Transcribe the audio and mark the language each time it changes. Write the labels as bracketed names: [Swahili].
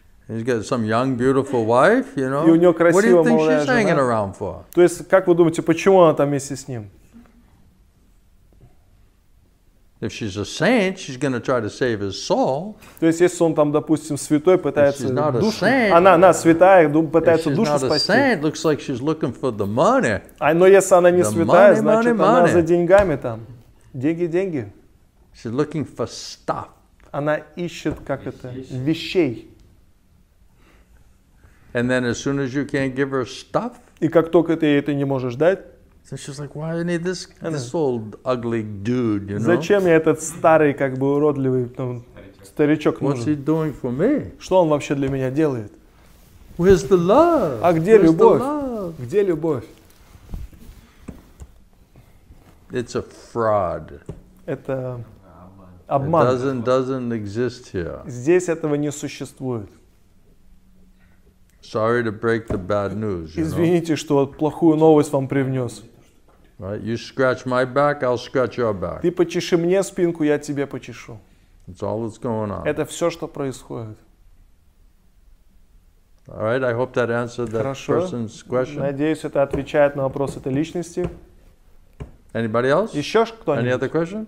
[English] And he's got some young, beautiful wife, you know. [Russian] И у неё красивая молодая жена. [English] What do you think she's hanging around for? [Russian] То есть, как вы думаете, почему она там вместе с ним? [English] If she's a saint, she's going to try to save his soul. [Russian] То есть, если он там, допустим, святой, пытается душу, она святая, пытается душу спасти. [English] If she's not a saint, looks like she's looking for the money. [Russian] А но если она не святая, значит, она за деньгами там. Деньги, деньги. [English] She's looking for stuff. [Russian] Она ищет как это вещей. [English] And then as soon as you can't give her stuff, [Russian] и как только ты это не можешь дать, [English] so she's like, why I need this old ugly dude, you know? [Russian] Зачем мне этот старый как бы уродливый там, старичок нужен? [English] What's he doing for me? [Russian] Что он вообще для меня делает? [English] Where's the love? [Russian] А где [English] Where's [Russian] любовь? [English] Love? [Russian] Где любовь? [English] It's a fraud. [Russian] Это обман. [English] It doesn't exist here. [Russian] Здесь этого не существует. [English] Sorry to break the bad news, you [Russian] Извините, [English] know? [Russian] Что плохую новость вам привнес. [English] Right? You scratch my back, I'll scratch your back. [Russian] Ты почеши мне спинку, я тебе почешу. [English] That's all that's going on. [Russian] Это все, что происходит. [English] All right, I hope that answered that [Russian] Хорошо. [English] Person's question. [Russian] Надеюсь, это отвечает на вопрос этой личности. [English] Anybody else? [Russian] Еще кто-нибудь? [English] Any other question?